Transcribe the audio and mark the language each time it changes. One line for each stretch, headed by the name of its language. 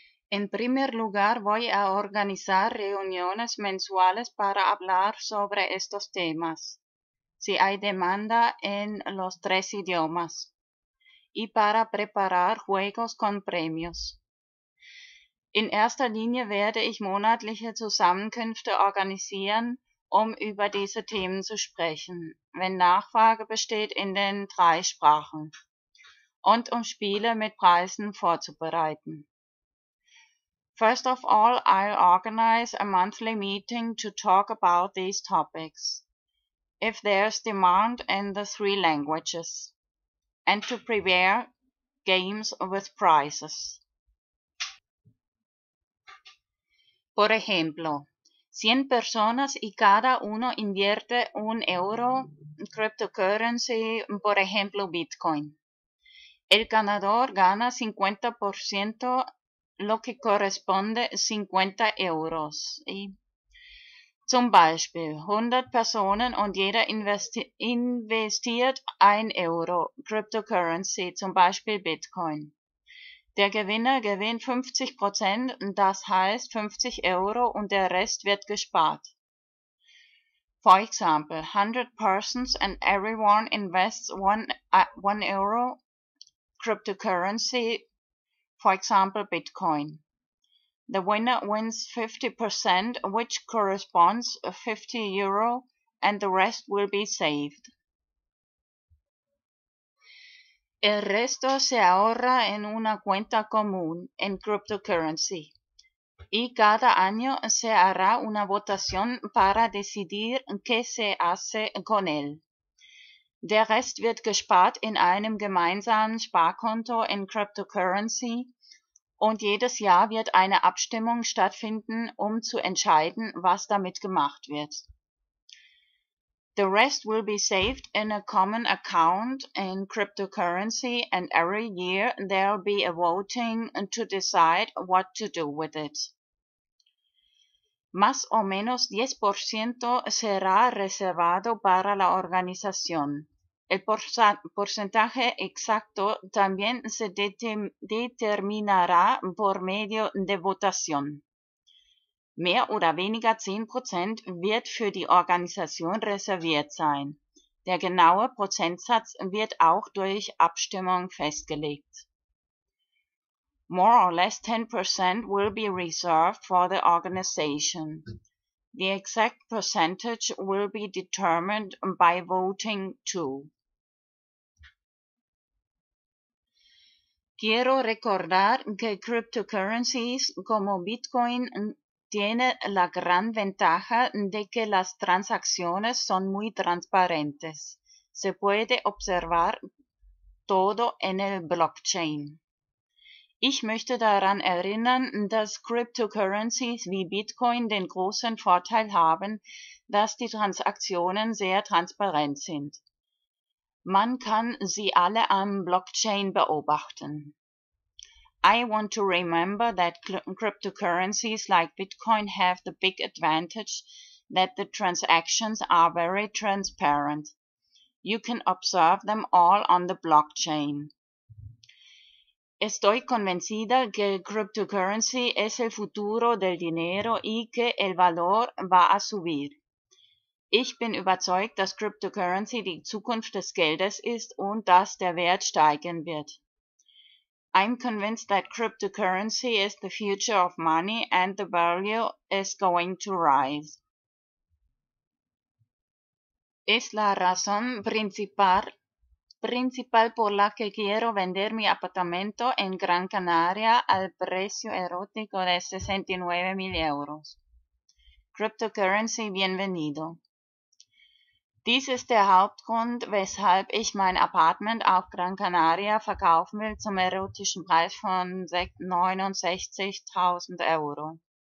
Spanish: En primer lugar, voy a organizar reuniones mensuales para hablar sobre estos temas, si hay demanda en los tres idiomas, y para preparar juegos con premios.
German: In erster Linie werde ich monatliche Zusammenkünfte organisieren, um über diese Themen zu sprechen, wenn Nachfrage besteht in den drei Sprachen und um Spiele mit Preisen vorzubereiten.
English: First of all, I'll organize a monthly meeting to talk about these topics, if there's demand in the three languages, and to prepare games with prizes.
Spanish: Por ejemplo, 100 personas y cada uno invierte un euro en cryptocurrency, por ejemplo Bitcoin. El ganador gana 50%, lo que corresponde 50 euros.
German: Y zum Beispiel 100
Spanish: personas y
German: jeder investiert
Spanish: un euro en
German: cryptocurrency, zum Beispiel Bitcoin. Der Gewinner gewinnt 50%, das heißt 50 Euro und der Rest wird gespart.
English: For example, 100 persons and everyone invests 1 Euro cryptocurrency, for example Bitcoin. The winner wins 50%, which corresponds to 50 Euro and the rest will be saved.
Spanish: El resto se ahorra en una cuenta común en cryptocurrency y cada año se hará una votación para decidir qué se hace con él.
German: Der Rest wird gespart in einem gemeinsamen Sparkonto in cryptocurrency und jedes Jahr wird eine Abstimmung stattfinden, um zu entscheiden, was damit gemacht wird.
English: The rest will be saved in a common account in cryptocurrency and every year there'll be a voting to decide what to do with it.
Spanish: Más o menos 10% será reservado para la organización. El porcentaje exacto también se determinará por medio de votación.
German: Mehr oder weniger 10% wird für die Organisation reserviert sein. Der genaue Prozentsatz wird auch durch Abstimmung festgelegt.
English: More or less 10% will be reserved for the organization. The exact percentage will be determined by voting too.
Spanish: Quiero recordar que cryptocurrencies como Bitcoin tiene la gran ventaja de que las transacciones son muy transparentes. Se puede observar todo en el blockchain.
German: Ich möchte daran erinnern, dass Cryptocurrencies wie Bitcoin den großen Vorteil haben, dass die Transaktionen sehr transparent sind. Man kann sie alle am Blockchain beobachten.
English: I want to remember that cryptocurrencies like Bitcoin have the big advantage that the transactions are very transparent. You can observe them all on the blockchain.
Spanish: Estoy convencida que cryptocurrency es el futuro del dinero y que el valor va a subir.
German: Ich bin überzeugt, dass cryptocurrency die Zukunft des Geldes ist und dass der Wert steigen wird.
English: I'm convinced that cryptocurrency is the future of money and the value is going to rise.
Spanish: Es la razón principal por la que quiero vender mi apartamento en Gran Canaria al precio erótico de 69.000 euros. Cryptocurrency, bienvenido.
German: Dies ist der Hauptgrund, weshalb ich mein Apartment auf Gran Canaria verkaufen will zum erotischen Preis von 69.000 Euro.